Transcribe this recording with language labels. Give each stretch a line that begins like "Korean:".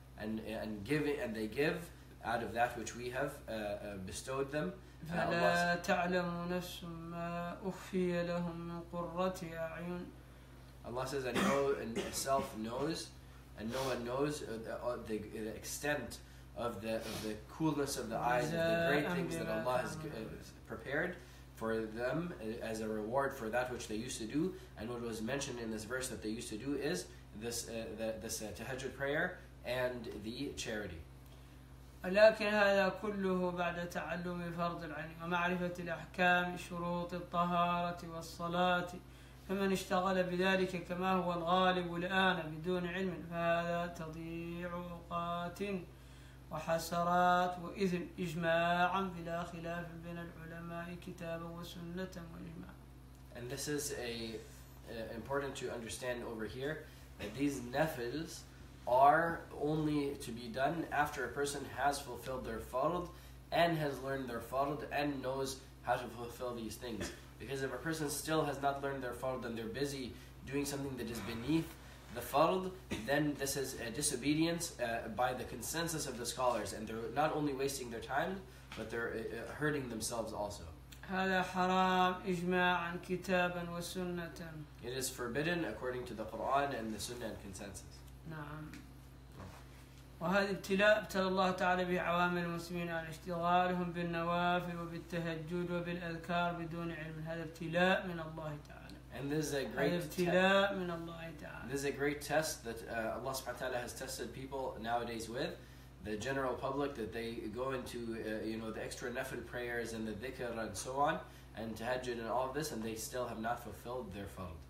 English: And give and they give out of that which we have bestowed them.
Arabic: فلا تعلم نفس ما أخفي لهم من قرة أعين.
English: Allah says, "And no self knows, and no one knows the extent of the coolness of the eyes of the great things that Allah has prepared for them as a reward for that which they used to do." And what was mentioned in this verse that they used to do is this tahajjud prayer and the charity.
Arabic: ولكن هذا كله بعد تعلم فرض العين ومعرفة الأحكام شروط الطهارة والصلاة فمن اشتغل بذلك كما هو الغالب الآن بدون علم فهذا تضيع أوقات وحسرات وإثم إجماعا بلا خلاف بين العلماء كتابا وسنة وإجماعا.
English: And this is important to understand over here that these nafils are only to be done after a person has fulfilled their fard and has learned their fard and knows how to fulfill these things. Because if a person still has not learned their fard and they're busy doing something that is beneath the fard, then this is a disobedience by the consensus of the scholars, and they're not only wasting their time, but they're hurting themselves also.
Arabic: هذا حرام إجماعا كتابا وسنة.
English: It is forbidden according to the Quran and the Sunnah and consensus.
Arabic: نعم. وهذا ابتلاء ابتلى الله تعالى به عوامل المسلمين على اشتغالهم بالنوافل وبالتهجد وبالأذكار بدون علم. هذا ابتلاء من الله تعالى.
English: And this is a great
Arabic: ابتلاء من الله تعالى.
English: This is a great test that Allah سبحانه وتعالى has tested people nowadays with. The general public, that they go into you know, the extra nafil prayers and the dhikr and so on and tahajjud and all of this, and they still have not fulfilled their fard.